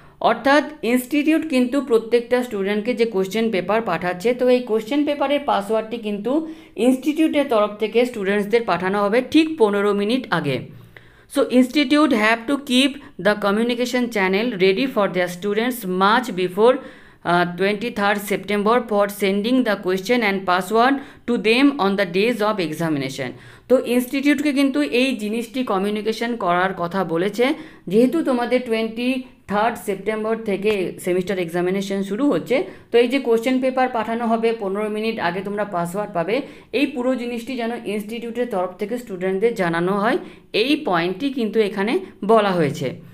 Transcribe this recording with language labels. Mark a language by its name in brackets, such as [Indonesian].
[Bangla] অর্থাৎ ইনস্টিটিউট কিন্তু প্রত্যেকটা স্টুডেন্টকে যে কোশ্চেন পেপার পাঠাচ্ছে তো এই কোশ্চেন পেপারের পাসওয়ার্ডটি কিন্তু ইনস্টিটিউটের তরফ থেকে স্টুডেন্টসদের পাঠানো হবে ঠিক 15 মিনিট আগে। [English] So institute have to keep the communication channel ready for the students much before 23rd September for sending the question and password to them on the days of examination. [Bangla] তো ইনস্টিটিউটকে কিন্তু এই জিনিসটি কমিউনিকেশন করার কথা বলেছে, যেহেতু তোমাদের 23rd সেপ্টেম্বর থেকে সেমিস্টার এক্সামিনেশন শুরু হচ্ছে, তো এই যে কোশ্চেন পেপার পাঠানো হবে, 15 মিনিট আগে তোমরা পাসওয়ার্ড পাবে, এই পুরো জিনিসটি যেন ইনস্টিটিউটের তরফ থেকে স্টুডেন্টদের জানানো হয়, এই পয়েন্টটি কিন্তু এখানে বলা হয়েছে।